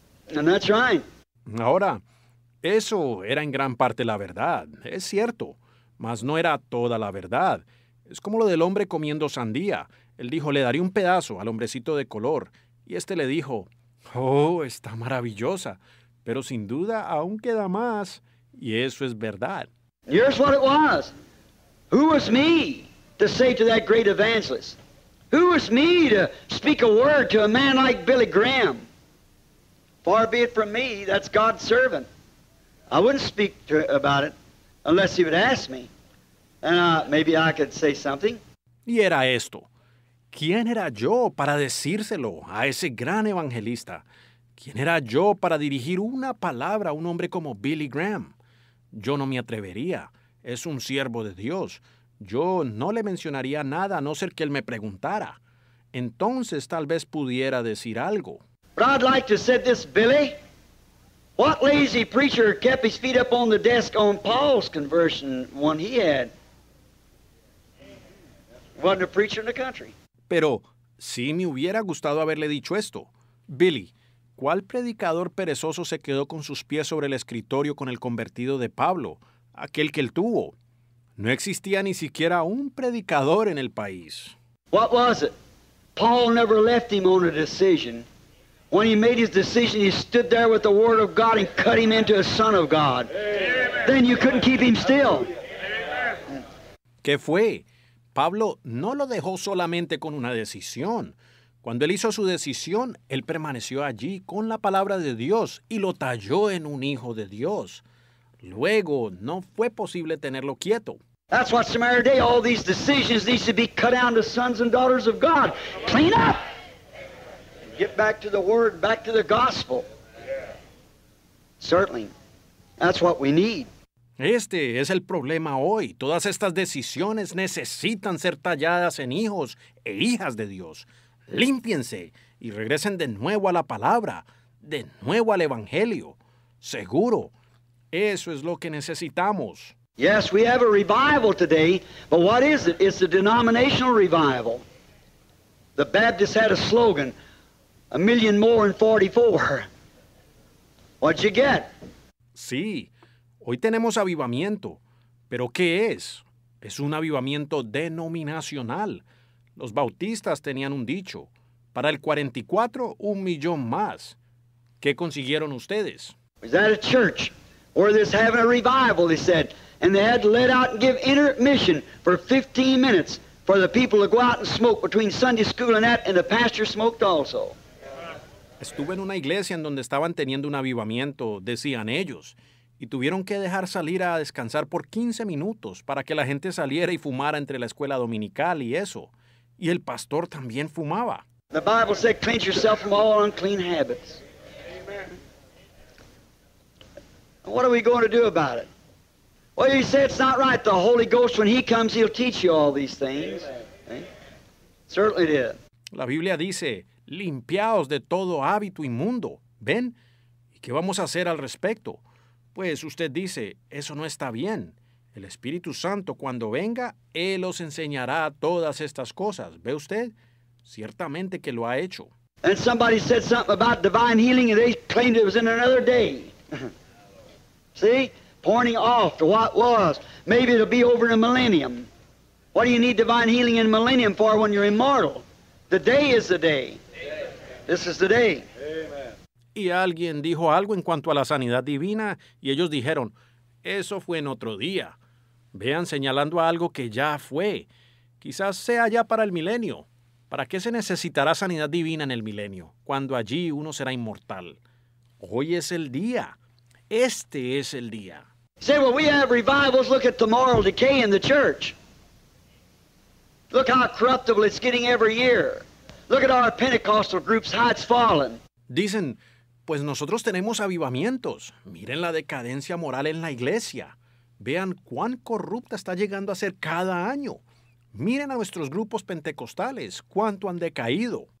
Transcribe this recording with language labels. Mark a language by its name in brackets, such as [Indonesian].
[English] And that's right. [Spanish] Ahora, eso era en gran parte la verdad. Es cierto, mas no era toda la verdad. Es como lo del hombre comiendo sandía. Él dijo, le daré un pedazo al hombrecito de color. Y este le dijo, oh, está maravillosa, pero sin duda aún queda más. Y eso es verdad. [English] Here's what it was. Who was me to say to that great evangelist? Who was me to speak a word to a man like Billy Graham? Far be it from me, that's God's servant. I wouldn't speak to him about it unless he would ask me. And maybe I could say something. [Spanish] Y era esto. ¿Quién era yo para decírselo a ese gran evangelista? ¿Quién era yo para dirigir una palabra a un hombre como Billy Graham? Yo no me atrevería. Es un siervo de Dios. Yo no le mencionaría nada a no ser que él me preguntara. Entonces, tal vez pudiera decir algo. Pero [English] I'd like to say this, Billy. What lazy preacher kept his feet up on the desk on Paul's conversion when he had? Wasn't a preacher in the country. [Spanish] Pero sí me hubiera gustado haberle dicho esto. Billy, ¿cuál predicador perezoso se quedó con sus pies sobre el escritorio con el convertido de Pablo, aquel que él tuvo? No existía ni siquiera un predicador en el país. [English] What was it? Paul never left him on a decision. When he made his decision, he stood there with the word of God and cut him into a son of God. Amen. Then you couldn't keep him still. [Spanish] ¿Qué fue? Pablo no lo dejó solamente con una decisión. Cuando él hizo su decisión, él permaneció allí con la palabra de Dios y lo talló en un hijo de Dios. Luego, no fue posible tenerlo quieto. [English] That's what's the matter today. All these decisions need to be cut down to sons and daughters of God. Clean up! Get back to the Word, back to the Gospel. Certainly, that's what we need. [Spanish] Este es el problema hoy. Todas estas decisiones necesitan ser talladas en hijos e hijas de Dios. Límpiense y regresen de nuevo a la palabra, de nuevo al Evangelio. Seguro, eso es lo que necesitamos. [English] Yes, we have a revival today, but what is it? It's a denominational revival. The Baptists had a slogan, a million more in 44. What'd you get? [Spanish] Sí. Hoy tenemos avivamiento, pero ¿qué es? Es un avivamiento denominacional. Los bautistas tenían un dicho, para el 44, un millón más. ¿Qué consiguieron ustedes? [English] Was at a church where they're having a revival, they said, and they had to let out and give intermission for 15 minutes for the people to go out and smoke between Sunday school and that, and the pastor smoked also. [Spanish] Estuve en una iglesia en donde estaban teniendo un avivamiento, decían ellos. Y tuvieron que dejar salir a descansar por 15 minutos para que la gente saliera y fumara entre la escuela dominical y eso. Y el pastor también fumaba. [English] The Bible said, cleanse yourself from all unclean habits. Amen. What are we going to do about it? Well, you say it's not right. The Holy Ghost, when he comes, he'll teach you all these things. Amen. Certainly did. [Spanish] La Biblia dice, limpiaos de todo hábito inmundo. ¿Ven? ¿Y qué vamos a hacer al respecto? Pues usted dice, eso no está bien. El Espíritu Santo, cuando venga, Él os enseñará todas estas cosas. ¿Ve usted? Ciertamente que lo ha hecho. [English] And somebody said something about divine healing and they claimed it was in another day. See? Pointing off to what was. Maybe it'll be over in a millennium. What do you need divine healing in a millennium for when you're immortal? The day is the day. Amen. This is the day. [Spanish] Y alguien dijo algo en cuanto a la sanidad divina, y ellos dijeron, eso fue en otro día. Vean, señalando a algo que ya fue. Quizás sea ya para el milenio. ¿Para qué se necesitará sanidad divina en el milenio, cuando allí uno será inmortal? Hoy es el día. Este es el día. [English] Say, well, we have revivals. Look at the moral decay in the church. Look how corruptible it's getting every year. Look at our Pentecostal groups, how it's fallen. [Spanish] Dicen, pues nosotros tenemos avivamientos. Miren la decadencia moral en la iglesia. Vean cuán corrupta está llegando a ser cada año. Miren a nuestros grupos pentecostales, cuánto han decaído.